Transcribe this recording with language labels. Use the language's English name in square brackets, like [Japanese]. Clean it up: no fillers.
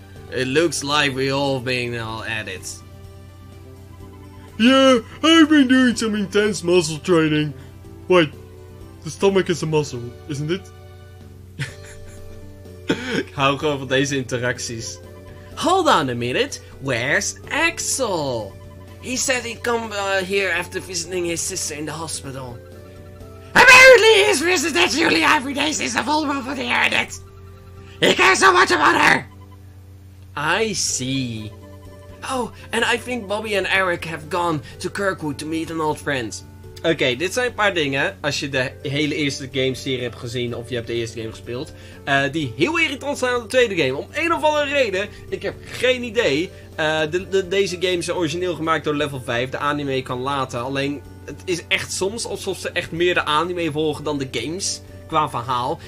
[English] It looks like we all been all at it. Yeah, I've been doing some intense muscle training. Wait, the stomach is a muscle, isn't it? [Dutch] Ik hou gewoon van deze interacties. [English] Hold on a minute, where's Axel? He said he'd come here after visiting his sister in the hospital. Apparently he's visited Julia every day since the full run for the internet. He cares so much about her! I see. Oh, and I think Bobby and Eric have gone to Kirkwood to meet an old friend. [Dutch] Oké, dit zijn een paar dingen, als je de hele eerste gameserie hebt gezien of je hebt de eerste game gespeeld, die heel irritant zijn aan de tweede game. Om een of andere reden, ik heb geen idee, deze games zijn origineel gemaakt door level 5, de anime kan later. Alleen, het is echt soms alsof ze echt meer de anime volgen dan de games, qua verhaal.